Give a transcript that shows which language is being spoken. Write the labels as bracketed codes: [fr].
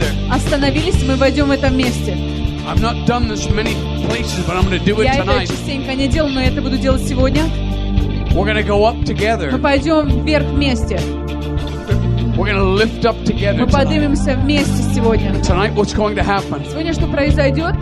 [ru] Остановились, мы войдем в это месте. [en] I've not done this many places, but I'm going to do it tonight. [ru] Я это частенько не делал, но это буду делать сегодня. [en] We're going to go up together. [ru] Мы пойдем вверх вместе. [en] We're going to lift up together. [ru] Мы поднимемся вместе сегодня. [en] Tonight, what's going to happen? [ru] Сегодня что произойдет?